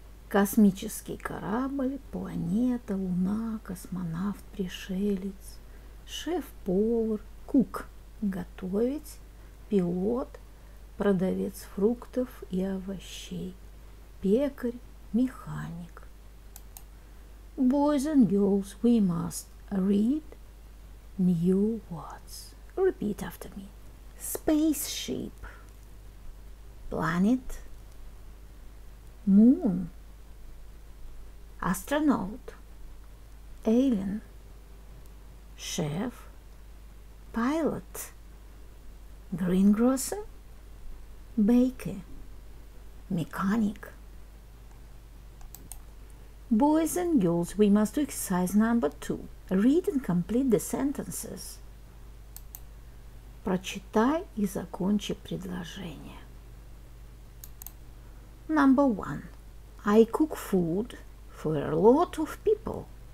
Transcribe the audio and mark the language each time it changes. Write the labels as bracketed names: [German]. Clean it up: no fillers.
[Russian] Космический корабль, планета, луна, космонавт, пришелец. Шеф-повар, кук, готовить, пилот, продавец фруктов и овощей, пекарь, механик. [English] Boys and girls, we must read new words. Repeat after me. Spaceship, planet, moon, astronaut, alien, chef, pilot, greengrocer, baker, mechanic. Boys and girls, we must do exercise number 2. Read and complete the sentences. [Russian] Прочитай и закончи предложение. [English] Number 1. I cook food for a lot of people.